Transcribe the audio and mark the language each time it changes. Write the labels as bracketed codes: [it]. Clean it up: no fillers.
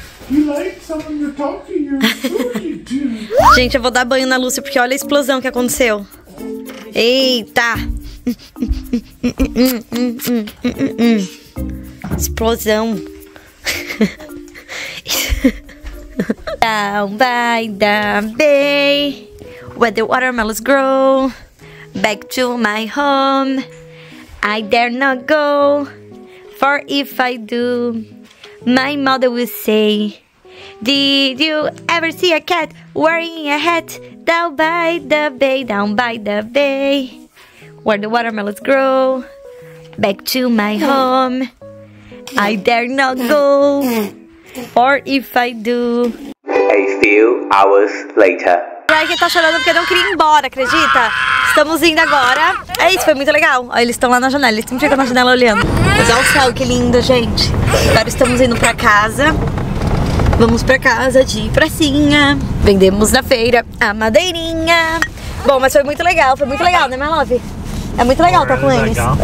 [en] You like someone you're talking to? You do. [pt] Gente, eu vou dar banho na Lúcia porque olha a explosão que aconteceu. Eita! Explosão. [en] Down by the bay, where the watermelons grow, back to my home, I dare not go, for if I do, my mother will say, did you ever see a cat wearing a hat? Down by the bay, down by the bay, where the watermelons grow, back to my home, I dare not go, for if I do. A few hours later. [pt] Ai, que tá chorando porque eu não queria ir embora, acredita? Estamos indo agora. É isso, foi muito legal. Olha, eles estão lá na janela, eles sempre ficam na janela olhando. Mas olha o céu, que lindo, gente. Agora estamos indo pra casa. Vamos pra casa de pracinha. Vendemos na feira a madeirinha. Bom, mas foi muito legal, né, [en] my love? [pt] É muito legal estar com eles.